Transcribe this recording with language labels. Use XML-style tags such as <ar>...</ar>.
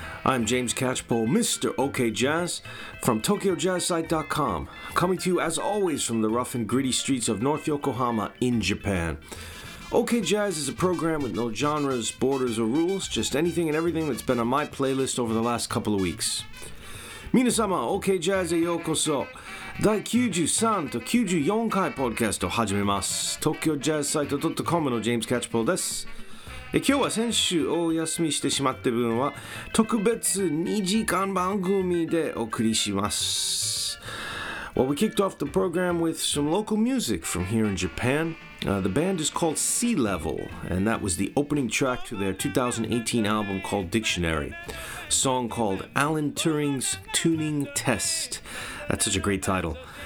<en>I'm James Catchpole, Mr. OK Jazz, from TokyoJazzSite.com, coming to you as always from the rough and gritty streets of North Yokohama in Japan. OK Jazz is a program with no genres, borders, or rules, just anything and everything that's been on my playlist over the last couple of weeks.</en> <ja>Minasama, OK Jazz e yokoso. 第93と94回ポッドキャストを始めます。東京ジャズサイト .com のジェームス・キャッチポールです。今日は先週お休みしてしまった分は特別2時間番組でお送りします。</ja> <en>Well, we kicked off the program with some local music from here in Japan. The band is called Sea Level, and that was the opening track to their 2018 album called Dictionary. A song called Alan Turing's Tuning Test. That's such a great title.</en>